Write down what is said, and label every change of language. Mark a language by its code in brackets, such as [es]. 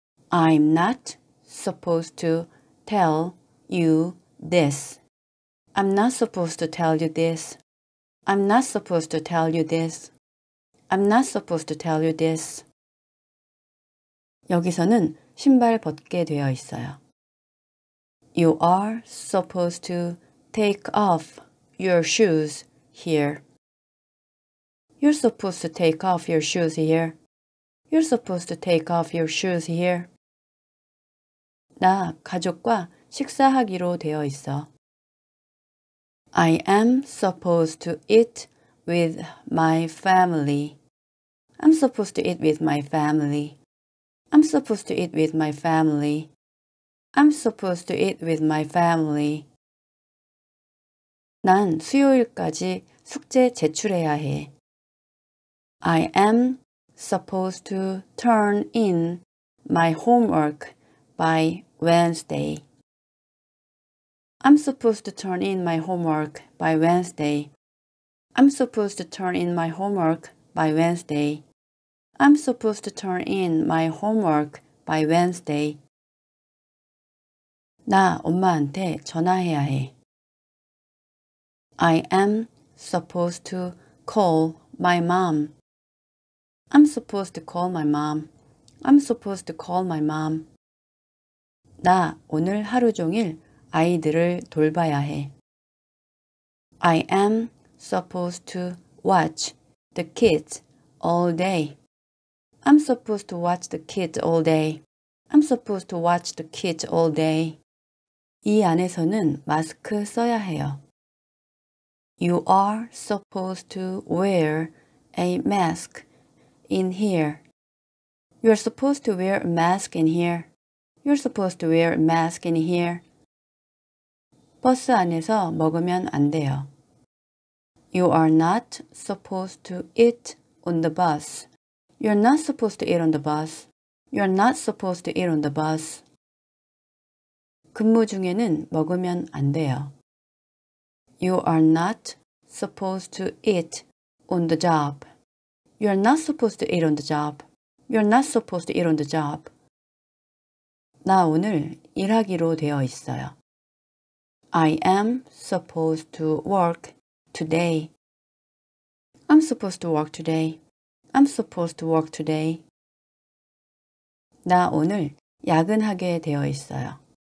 [en] I'm not supposed to tell you this. I'm not supposed to tell you this. I'm not supposed to tell you this. I'm not supposed to tell you this. [ko] 여기서는 신발 벗게 되어 있어요. [en] You are supposed to take off your shoes here. You're supposed to take off your shoes here. You're supposed to take off your shoes here. [ko] 나 가족과 식사하기로 되어 있어. [en] I am supposed to eat with my family. I'm supposed to eat with my family. I'm supposed to eat with my family. I'm supposed to eat with my family. [ko] 난 수요일까지 숙제 제출해야 해. [en] I am supposed to turn in my homework by Wednesday. I'm supposed to turn in my homework by Wednesday. I'm supposed to turn in my homework by Wednesday. I'm supposed to turn in my homework by Wednesday. [ko] 나 엄마한테 전화해야 해. [en] I am supposed to call my mom. I'm supposed to call my mom. I'm supposed to call my mom. [ko] 나 오늘 하루 종일 아이들을 돌봐야 해. [en] I am supposed to watch the kids all day. I'm supposed to watch the kids all day. I'm supposed to watch the kids all day. [ko] 이 안에서는 마스크 써야 해요. [en] You are supposed to wear a mask in here. You are supposed to wear a mask in here. You're supposed to wear a mask in here. [ko] 버스 안에서 먹으면 안 돼요. [en] You are not supposed to eat on the bus. You're not supposed to eat on the bus. You're not supposed to eat on the bus. [ko] 근무 중에는 먹으면 안 돼요. [en] You are not supposed to eat on the job. You're not supposed to eat on the job. You're not supposed to eat on the job. [ko] 나 오늘 일하기로 되어 있어요. [en] I am supposed to work today. I'm supposed to work today. I'm supposed to work today. [ko] 나 오늘 야근하게 되어 있어요.